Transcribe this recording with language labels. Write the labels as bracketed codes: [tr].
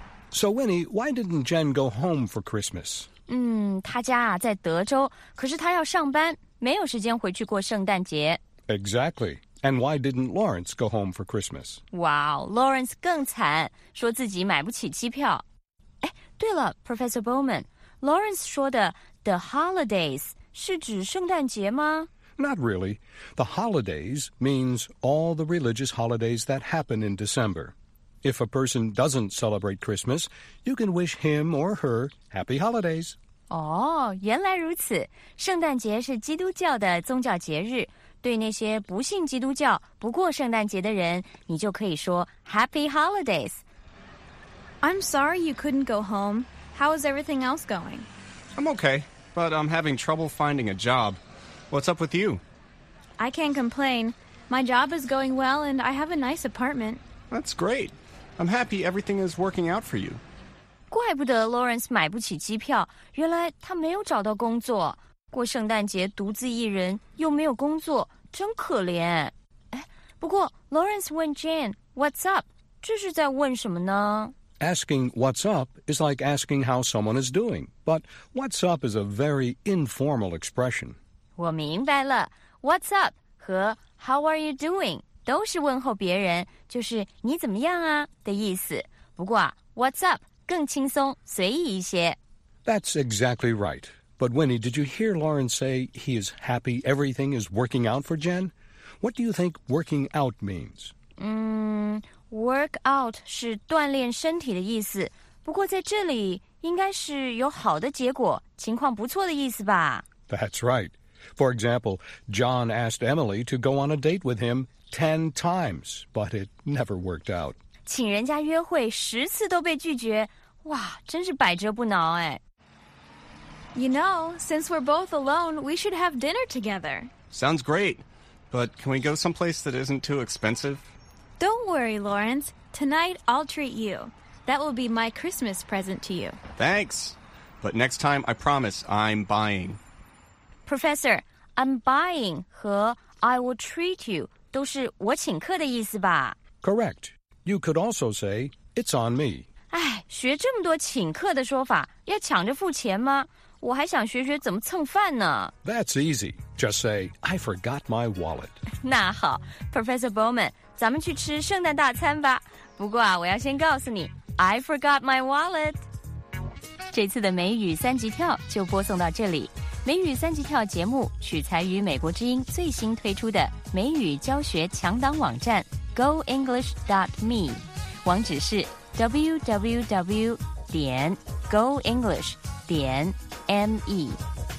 [en] So, Winnie, why didn't Jen go home for Christmas? [zh] 她家啊在德州，可是她要上班，没有时间回去过圣诞节。 [en] Exactly. And why didn't Lawrence go home for Christmas? [zh] Wow, Lawrence 更惨，说自己买不起机票。哎，对了 ,Professor Bowman, Lawrence 说的 [en] the holidays [zh] 是指圣诞节吗？ [en] Not really. The holidays means all the religious holidays that happen in December. If a person doesn't celebrate Christmas, you can wish him or her happy holidays. [zh] Oh, 原来如此。圣诞节是基督教的宗教节日。对那些不信基督教、不过圣诞节的人，你就可以说 [en] happy holidays. I'm sorry you couldn't go home. How is everything else going? I'm okay, but I'm having trouble finding a job. What's up with you? I can't complain. My job is going well, and I have a nice apartment. That's great. I'm happy everything is working out for you. [zh] 怪不得 Lawrence 买不起机票，原来他没有找到工作。过圣诞节独自一人，又没有工作，真可怜。哎，不过 Lawrence 问 Jane, [en] what's up? [zh] 这是在问什么呢？ [en] Asking what's up is like asking how someone is doing, but what's up is a very informal expression. [zh] 我明白了 [en] ,what's up 和 how are you doing? [zh] 都是问候别人，就是你怎么样啊的意思。不过啊 , [en] what's up, [zh] 更轻松随意一些。 [en] That's exactly right. But Winnie, did you hear Lauren say he is happy everything is working out for Jen? What do you think working out means? Work out [zh] 是锻炼身体的意思。不过在这里应该是有好的结果，情况不错的意思吧。 [en] That's right. For example, John asked Emily to go on a date with him,10 times, but it never worked out. [zh] 请人家约会十次都被拒绝，哇，真是百折不挠哎。 [en] You know, since we're both alone, we should have dinner together. Sounds great, but can we go someplace that isn't too expensive? Don't worry, Lawrence. Tonight, I'll treat you. That will be my Christmas present to you. Thanks, but next time, I promise, I'm buying. Professor, I'm buying 和 I will treat you. [zh] 都是我请客的意思吧 [en] ？Correct. You could also say it's on me. [zh] 哎，学这么多请客的说法，要抢着付钱吗？我还想学学怎么蹭饭呢。 [en] That's easy. Just say I forgot my wallet. [zh] 那好 ，Professor Bowman， 咱们去吃圣诞大餐吧。不过啊，我要先告诉你 ， [en] I forgot my wallet。 [zh] 这次的美语三级跳就播送到这里。美语三级跳节目取材于美国之音最新推出的美语教学强档网站 goenglish.me， 网址是 www.goenglish.me。